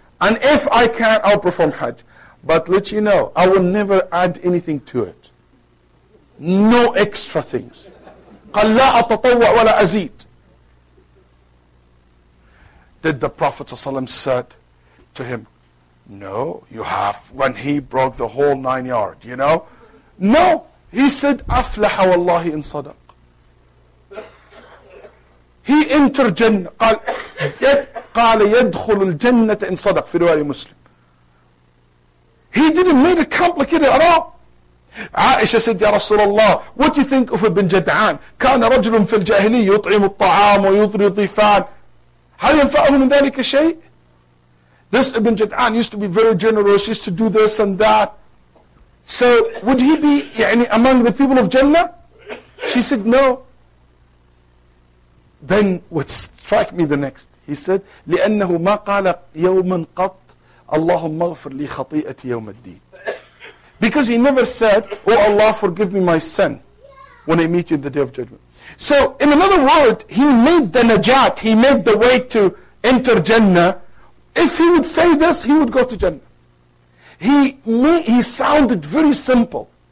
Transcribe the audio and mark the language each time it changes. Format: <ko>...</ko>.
<en>And if I can, I'll perform hajj. But let you know, I will never add anything to it. No extra things.</en> <ar>قَلْ لَا أَتَطَوَّعْ وَلَا أَزِيدْ.</ar> <en>Did the Prophet ﷺ said to him, no, you have, when he broke the whole 9 yards, you know? No. He said,</en> <ar>أَفْلَحَ وَاللَّهِ إِنْ صَدَقْ.</ar> <en>He entered Jannah.</en> <ar>قال يدخل الجنة إن صدق في رواية مسلم.</ar> <en>He didn't make it complicated at all. عائشة said,</en> <ar>يا رسول الله,</ar> <en>what do you think of Ibn Jad'an?</en> <ar>كان رجل في الجاهلية يطعم الطعام ويضري الضيفان. هل ينفعه من ذلك شيء?</ar> <en>This Ibn Jad'an used to be very generous, used to do this and that. So would he be يعني, among the people of Jannah? She said, no. Then what struck me the next, he said,</en> <ar>لأنه ما قال يوما قط اللهم اغفر لي خطيئتي يوم الدين.</ar> <en>Because he never said, "Oh Allah, forgive me my sin when I meet you in the day of judgment." So, in another word, he made the najat, he made the way to enter Jannah. If he would say this, he would go to Jannah. He sounded very simple.</en>